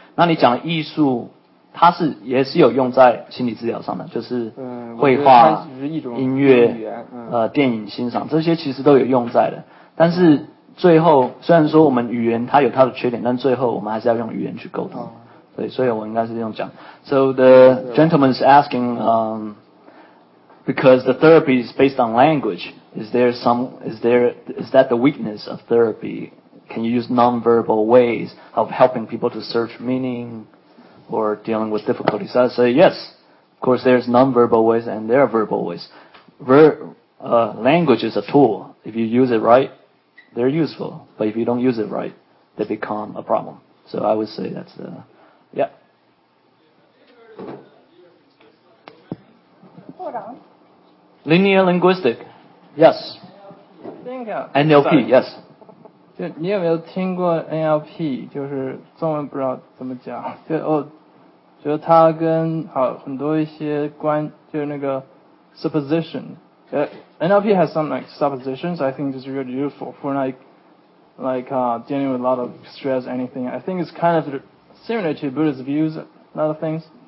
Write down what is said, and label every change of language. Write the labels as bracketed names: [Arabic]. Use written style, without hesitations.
[Chinese] 那你讲艺术，它是也是有用在心理治疗上的，就是绘画、音乐、电影欣赏，这些其实都有用在的。但是最后，虽然说我们语言它有它的缺点，但最后我们还是要用语言去沟通。对，所以我应该是这样讲。 [English] So the gentleman is asking, because the therapy is based on language, is that the weakness of therapy? Can you use non-verbal ways of helping people to search meaning or dealing with difficulties? So I say yes. Of course, there's non-verbal ways and there are verbal ways. Language is a tool. If you use it right, they're useful. But if you don't use it right, they become a problem. So I would say that's a Hold on. Linear linguistic. Yes. Thank you. NLP,、 Yes. [Chinese] 就你有没有听过 NLP, 就是中文不知道怎么讲。就哦就它跟好很多一些关就是那个 [English] supposition.、NLP has some like suppositions, I think it's really useful for dealing with a lot of stress, anything. I think it's kind of similar to Buddhist views, a lot of things.